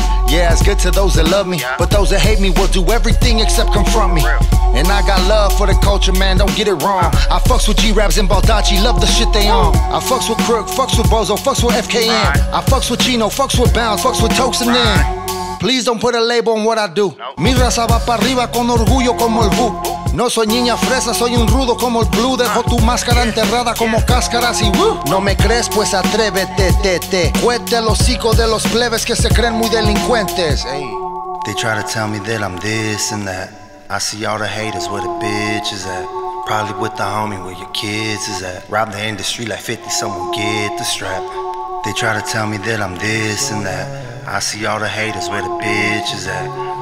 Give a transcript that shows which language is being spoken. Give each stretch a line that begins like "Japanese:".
English: Yeah, it's good to those that love me, but those that hate me will do everything except confront me. And I got love for the culture, man, don't get it wrong. I fucks with G-Raps and Baldacci, love the shit they on. I fucks with Crook, fucks with Bozo, fucks with FKM. I fucks with Chino, fucks with Bounce, fucks with Tokes and them. Please don't put a label on what I do.
Spanish: Mi raza va pa' arriba con orgullo como el Boo. No soy niña fresa, soy un rudo como el Blue. Dejo tu máscara enterrada como cáscaras y Woo. No me crees, pues atrévete, tete. Cuete el hocico de los plebes que se creen muy delincuentes. Hey.
English: They try to tell me that I'm this and that. I see all the haters where the bitch is at. Probably with the homie where your kids is at. Rob the industry like 50, someone get the strap. They try to tell me that I'm this and that. I see all the haters where the bitch is at.